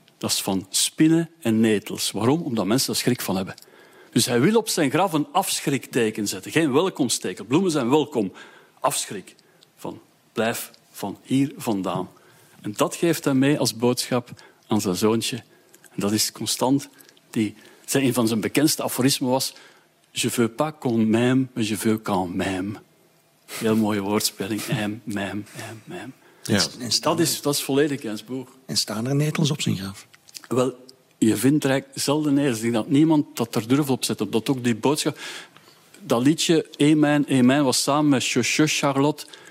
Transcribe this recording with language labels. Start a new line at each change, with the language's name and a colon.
Dutch: Dat is van spinnen en netels. Waarom? Omdat mensen er schrik van hebben. Dus hij wil op zijn graf een afschrikteken zetten. Geen welkomsteken. Bloemen zijn welkom. Afschrik. Van blijf van hier vandaan. En dat geeft hij mee als boodschap aan zijn zoontje. En dat is constant. Een van zijn bekendste aforismen was
French: je veux pas qu'on m'aime, mais je veux qu'on m'aime.
Dutch: Heel mooie woordspeling. M. Dat is volledig Gainsbourg. En staan er netels op zijn graf? Wel, je vindt er eigenlijk zelden neer. Ik denk dat niemand dat er durf op zet. Omdat ook die boodschap... Dat liedje, Amen, Amen, was samen met Chouchou Charlotte.